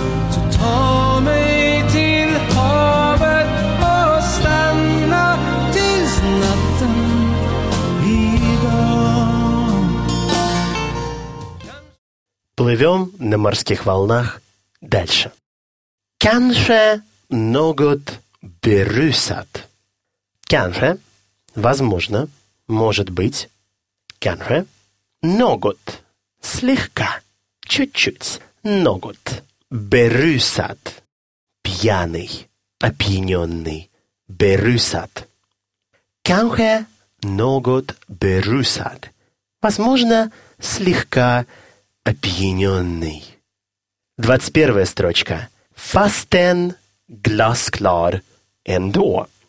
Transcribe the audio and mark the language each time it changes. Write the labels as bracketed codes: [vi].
[sv] Så ta mig till havet och stanna tills natten idag. [ru] Plivём на морских волнах дальше. [sv] Kanske något berusat. [ru] Kanske, возможно, может быть. Kanske något, слегка, чуть-чуть, något. Berusat, пьяный, опьяненный. [sv] Berusat. Kanske något berusat. [ru] Возможно, слегка опьяненный. 21-я строчка. [sv] Fasten glasklar ändå.